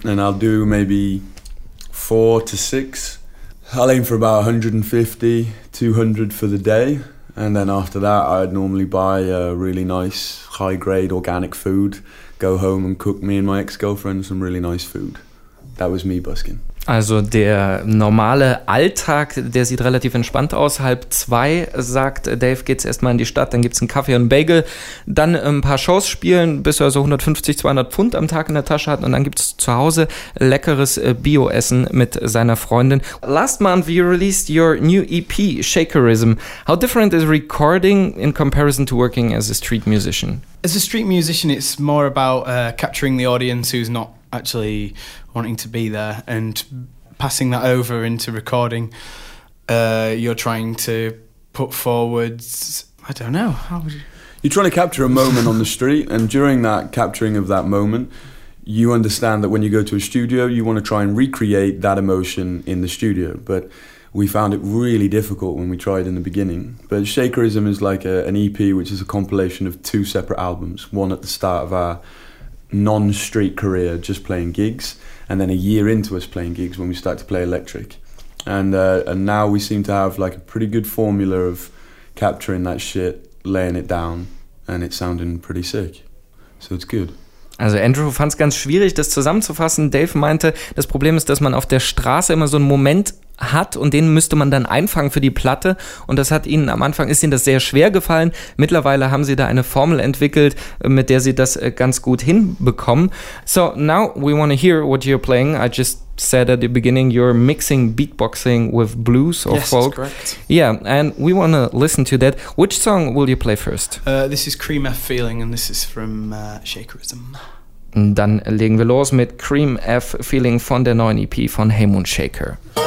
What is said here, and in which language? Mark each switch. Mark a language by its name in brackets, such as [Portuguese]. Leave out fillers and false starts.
[English] And I'll do maybe 4 to 6. I'll aim for about 150, 200 for the day. And then after that, I'd normally buy a really nice, high-grade organic food, go home and cook me and my ex-girlfriend some really nice food. That was me busking. [German] Also der normale Alltag, der sieht relativ entspannt aus. 2:30, sagt Dave, geht's erstmal in die Stadt, dann gibt's einen Kaffee und einen Bagel, dann ein paar Shows spielen, bis er so 150, 200 Pfund am Tag in der Tasche hat und dann gibt's zu Hause leckeres Bio-Essen mit seiner Freundin. [English] Last month you released your new EP, Shakerism. How different is recording in comparison to working as a street musician? As a street musician, it's more about capturing the audience who's not actually wanting to be there and passing that over into recording. You're trying to put forwards, I don't know, how would you? You're trying to capture a moment on the street, and during that capturing of that moment, you understand that when you go to a studio, you want to try and recreate that emotion in the studio. But we found it really difficult when we tried in the beginning. But Shakerism is like an EP, which is a compilation of 2 separate albums, one at the start of our non-street career, just playing gigs, and then a year into us playing gigs when we start to play electric. And now we seem to have like a pretty good formula of capturing that shit, laying it down, and it sounding pretty sick. So it's good. [German] Also Andrew fand es ganz schwierig, das zusammenzufassen. Dave meinte, das Problem ist, dass man auf der Straße immer so einen Moment hat und den müsste man dann einfangen für die Platte. Und das hat ihnen am Anfang, ist ihnen das sehr schwer gefallen. Mittlerweile haben sie da eine Formel entwickelt, mit der sie das ganz gut hinbekommen. [English] So now we want to hear what you're playing. I just said at the beginning you're mixing beatboxing with blues or yes, folk. That's correct. Yeah, and we want to listen to that. Which song will you play first? This is Cream F Feeling and this is from Shakerism. [German] Dann legen wir los mit Cream F Feeling von der neuen EP von Hey Moon Shaker.